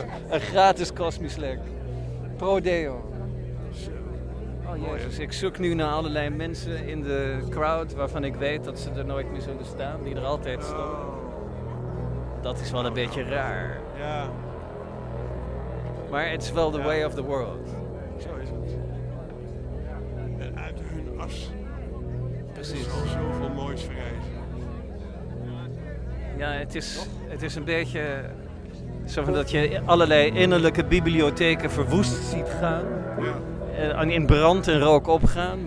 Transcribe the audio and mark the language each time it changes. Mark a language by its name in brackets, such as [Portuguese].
[Dutch] Een gratis kosmisch lek. Pro Deo. Oh jezus, ik zoek nu naar allerlei mensen in de crowd waarvan ik weet dat ze er nooit meer zullen staan, die er altijd staan. Dat is wel een beetje raar. Ja. Maar [English] it's well the way of the world. [Dutch] Zo is het. En uit hun as. Precies. Zoveel moois verrijzen. Ja, het is een beetje zo van dat je allerlei innerlijke bibliotheken verwoest ziet gaan. Ja. In brand en rook opgaan.